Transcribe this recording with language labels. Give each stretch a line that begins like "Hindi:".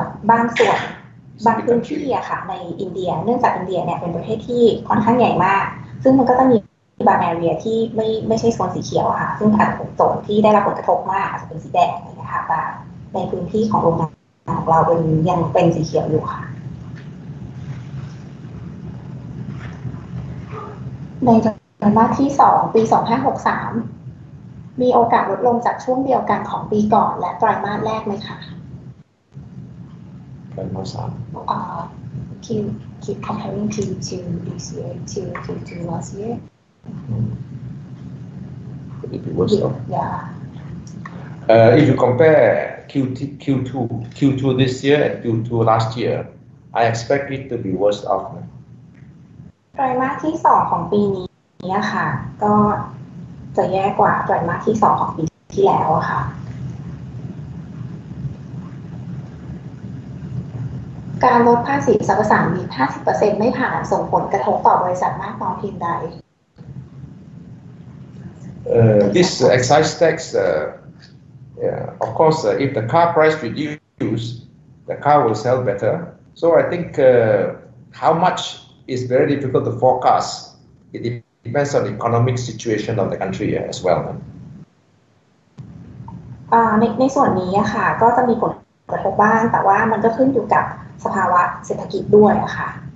Thai: บางส่วนบางพื้นที่อะค่ะในอินเดียเนื่องจากอินเดียเนี่ยเป็นประเทศที่ค่อนข้างใหญ่มากซึ่งมันก็จะมีบางแอเรียที่ไม่ใช่โซนสีเขียวค่ะซึ่งอาจจะโซนที่ได้รับผลกระทบมากอาจจะเป็นสีแดงนะคะแต่ในพื้นที่ของโรงงานของเราเป็นยังเป็นสีเขียวอยู่ค่ะในไตรมาสที่2ปี2563มีโอกาสลดลงจากช่วงเดียวกันของปีก่อนและไตรมาสแรกไหมคะ ไตรมาส3
English: keep comparing to this year to last year could it be worse off yeah If you compare Q2 this year and Q2 last year, I expect it to be worse off.
Thai: ไตรมาสที่2ของปีนี้อะค่ะก็จะแย่กว่าไตรมาสที่2ของปีที่แล้วอะค่ะการลดภาษีสรรพสามิต 50% ไม่ผ่านส่งผลกระทบต่อบริษัทมากน้อยเพียงใด
English: This excise tax, yeah, of course, if the car price reduces, the car will sell better. So I think how much is very difficult to forecast. It depends on the economic situation of the country as well.
Thai: ในส่วนนี้ค่ะก็จะมีผลกระทบบ้างแต่ว่ามันก็ขึ้นอยู่กับสภาวะเศรษฐกิจด้วยค่ะ